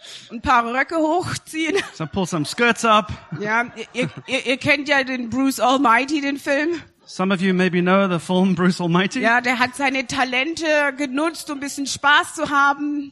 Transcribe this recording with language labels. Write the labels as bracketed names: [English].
[German] Ein paar Röcke hochziehen. [English] So pull some skirts up. [German] Ja, ihr kennt ja den Bruce Almighty, den Film. [English] Some of you maybe know the film Bruce Almighty. [German] Ja, der hat seine Talente genutzt, um ein bisschen Spaß zu haben.